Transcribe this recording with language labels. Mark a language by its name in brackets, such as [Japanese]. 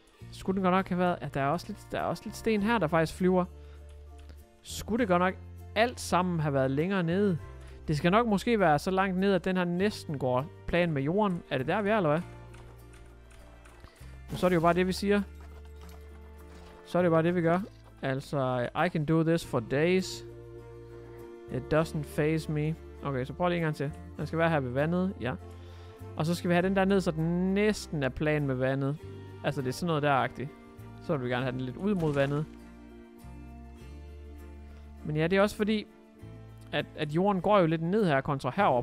[Danish] Skulle det godt nok have været, at der er også lidt sten her, der faktisk flyver. Skulle det godt nok alt sammen have været længere nede? Det skal nok måske være så langt ned, at den her næsten går plan med jorden. Er det der, vi er, eller hvad? Men så er det jo bare det, vi siger. Så er det jo bare det, vi gør. [English] Altså, I can do this for days. It doesn't faze me. [Danish] Okay, så prøv lige en gang til. Den skal være her ved vandet, ja. Og så skal vi have den der ned, så den næsten er plan med vandet. Altså, det er sådan noget der-agtigt. Så vil vi gerne have den lidt ud mod vandet. Men ja, det er også fordi, at jorden går jo lidt ned her kontra herover.